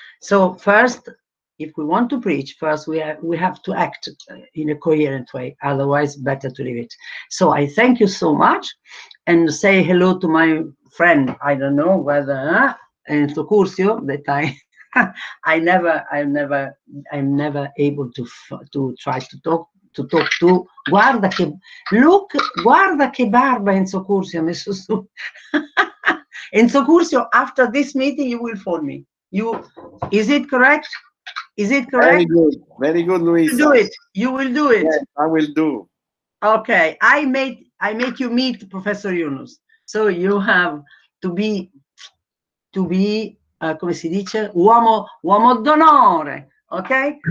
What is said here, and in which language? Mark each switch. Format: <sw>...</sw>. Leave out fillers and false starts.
<en>So first, if we want to preach, first we have to act in a coherent way, otherwise better to leave it. So I thank you so much, and say hello to my friend, I don't know whether, Enrico Curcio, that I'm never able to talk to.</en> <it>Guarda che barba Enzo Curcio ha messo su.</it> <en>Enzo Curcio, after this meeting, you will phone me. Is it correct? Very good. Very good, Luisa. You do it. You will do it. Yes, I will do. Okay. I make you meet Professor Yunus. So you have to be</en> <it>come si dice, uomo d'onore.</it> <en>Okay?</en>